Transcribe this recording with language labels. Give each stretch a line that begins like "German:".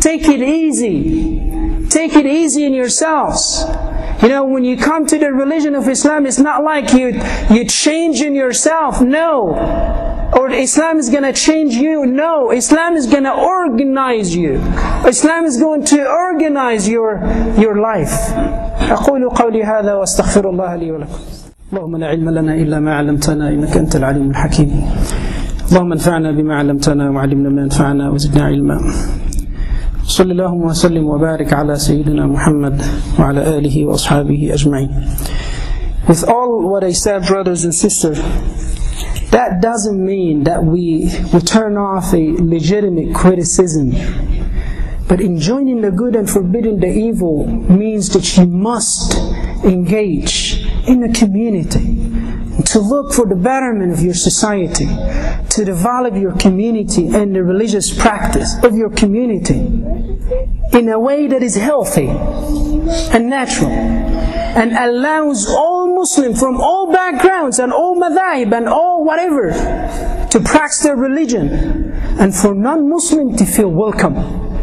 English: Take it easy. Take it easy in yourselves. You know, when you come to the religion of Islam, it's not like you change in yourself. No. Or Islam is going to change you. No. Islam is going to organize you. Islam is going to organize your life.
Arabic: أقول قولي هذا وأستغفر الله لي ولكم. اللهم لا علم لنا إلا ما علمتنا إنك أنت العليم الحكيم اللهم انفعنا بما علمتنا وعلمنا ما ينفعنا وزدنا علما صلى الله وسلم وبارك على سيدنا محمد وعلى آله وأصحابه أجمعين.
English: With all what I said, brothers and sisters, that doesn't mean that we turn off a legitimate criticism. But enjoining the good and forbidding the evil means that you must engage in a community, to look for the betterment of your society, to develop your community and the religious practice of your community in a way that is healthy and natural, and allows all Muslims from all backgrounds and all madhaib and all whatever to practice their religion, and for non-Muslim to feel welcome.